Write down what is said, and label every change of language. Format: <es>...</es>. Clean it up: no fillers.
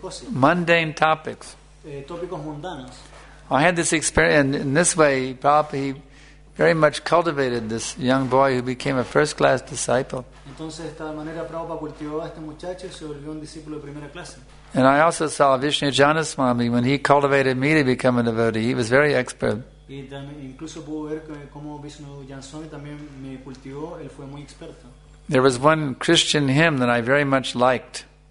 <en>Mundane topics. I had this experience, and in this way, Prabhupada he very much cultivated this young boy who became a first-class disciple.</en> <es>Entonces, de esta manera, Prabhupada cultivó a este muchacho y se volvió un discípulo de primera clase.</es> <en>And I also saw Vishnu Janaswami when he cultivated me to become a devotee. He was very expert. There was one Christian hymn that I very much liked.</en>